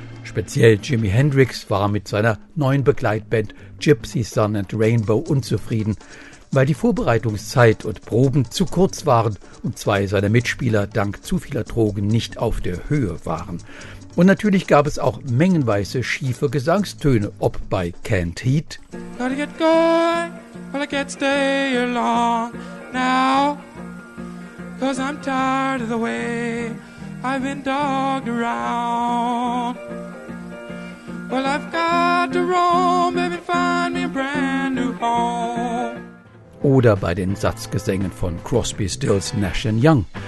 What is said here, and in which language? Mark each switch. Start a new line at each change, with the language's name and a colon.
German: Speziell Jimi Hendrix war mit seiner neuen Begleitband Gypsy Sun and Rainbow unzufrieden, weil die Vorbereitungszeit und Proben zu kurz waren und 2 seiner Mitspieler dank zu vieler Drogen nicht auf der Höhe waren. Und natürlich gab es auch mengenweise schiefe Gesangstöne, ob bei Can't Heat.
English: Gotta get going, but I can't stay along now. Cause I'm tired of the way I've been dogged around. out to roam, baby, find me a brand new home.
German: Oder bei den Satzgesängen von Crosby, Stills, Nash & Young.